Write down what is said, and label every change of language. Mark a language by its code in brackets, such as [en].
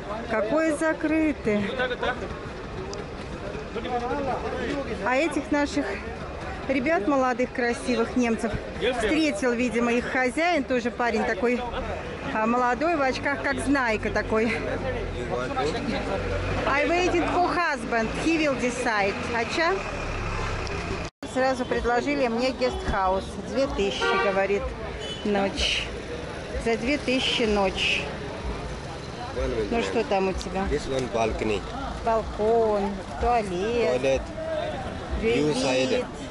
[ru] Какое закрыты? А этих наших ребят молодых, красивых немцев встретил, видимо, их хозяин, тоже парень такой молодой, в очках, как знайка такой. [en] I waited for husband, he will decide. [ru] А чё? Сразу предложили мне гестхаус. 2000, говорит, ночь. За 2000 ночь. Ну, что там у тебя? [en] This one balcony. [ru] Балкон, туалет. Вид.